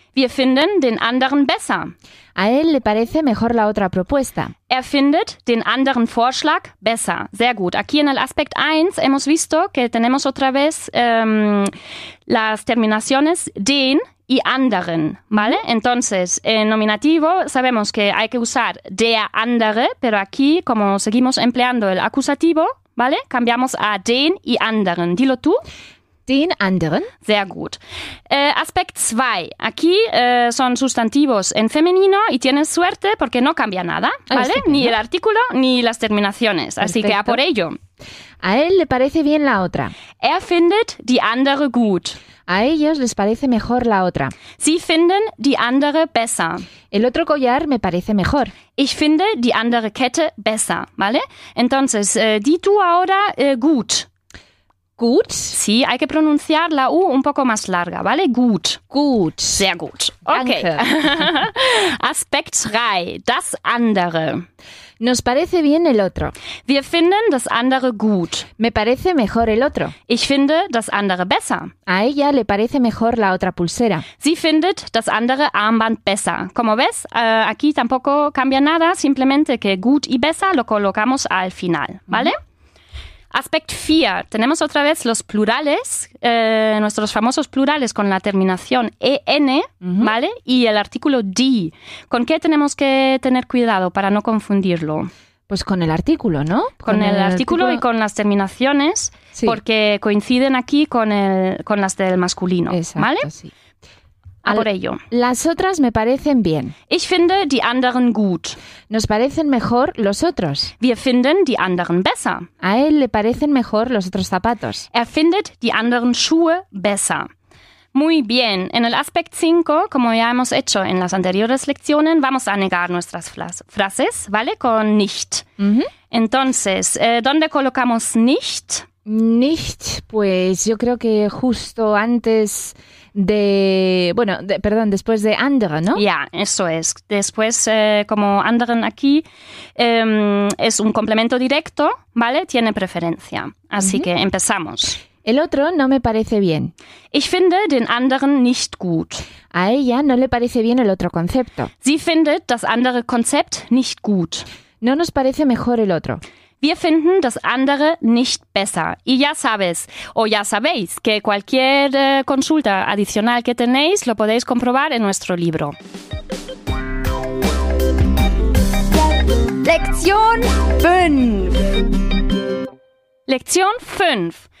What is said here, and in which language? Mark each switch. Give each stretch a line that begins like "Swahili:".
German: Wir finden den anderen besser.
Spanish: A él le parece mejor la otra propuesta.
German: Findet den anderen Vorschlag besser. Sehr gut.
Spanish: Aquí en el aspecto 1 hemos visto que tenemos otra vez las terminaciones den y anderen, ¿vale? Entonces, en nominativo sabemos que hay que usar der andere, pero aquí, como seguimos empleando el acusativo, ¿vale? Cambiamos a den y anderen. Dilo tú.
German: Den anderen. Sehr gut. Aspekt 2.
Spanish: Aquí son sustantivos en femenino y tienes suerte porque no cambia nada, ¿vale? Ay, ni el artículo ni las terminaciones. Perfecto. Así que a por ello. A él le parece bien la otra.
German: Findet die andere gut.
Spanish: A ellos les parece mejor la otra.
German: Sie finden die andere besser.
Spanish: El otro collar me parece mejor.
German: Ich finde die andere Kette besser,
Spanish: ¿vale? Entonces, di tú ahora gut.
German: Gut.
Spanish: Sí, hay que pronunciar la U un poco más larga, ¿vale?
German: Gut. Gut. Sehr gut. Okay. Aspekt 3. Das andere.
Spanish: Nos parece bien el otro.
German: Wir finden das andere gut.
Spanish: Me parece mejor el otro.
German: Ich finde das andere besser.
Spanish: A ella le parece mejor la otra pulsera.
German: Sie findet das andere Armband besser.
Spanish: Como ves, aquí tampoco cambia nada, simplemente que gut y besser lo colocamos al final, ¿vale? Mm-hmm. Aspect 4. Tenemos otra vez los plurales, nuestros famosos plurales con la terminación en, uh-huh. ¿vale? Y el artículo die. ¿Con qué tenemos que tener cuidado para no confundirlo? Pues con el artículo, ¿no? Con el artículo y con las terminaciones, sí. Porque coinciden aquí con las del masculino, exacto, ¿vale? Sí. A por ello. Las otras me parecen bien.
German: Ich finde die anderen gut.
Spanish: Nos parecen mejor los otros.
German: Wir finden die anderen besser.
Spanish: A él le parecen mejor los otros zapatos.
German: Er findet die anderen Schuhe besser.
Spanish: Muy bien. En el aspect 5, como ya hemos hecho en las anteriores lecciones, vamos a negar nuestras frases, ¿vale? Con nicht. Mm-hmm. Entonces, ¿dónde colocamos nicht? Nicht, pues yo creo que justo antes de, bueno, de, perdón, después de andere, ¿no? Ya, yeah, eso es. Después, como anderen aquí, es un complemento directo, ¿vale? Tiene preferencia. Así uh-huh. que empezamos. El otro no me parece bien.
German: Ich finde den anderen nicht gut.
Spanish: A ella no le parece bien el otro concepto.
German: Sie findet das andere Konzept nicht gut.
Spanish: No nos parece mejor el otro.
German: Wir finden das andere nicht besser.
Spanish: Y ya sabes, o ya sabéis, que cualquier consulta adicional que tenéis lo podéis comprobar en nuestro libro. Lección 5. Lección 5.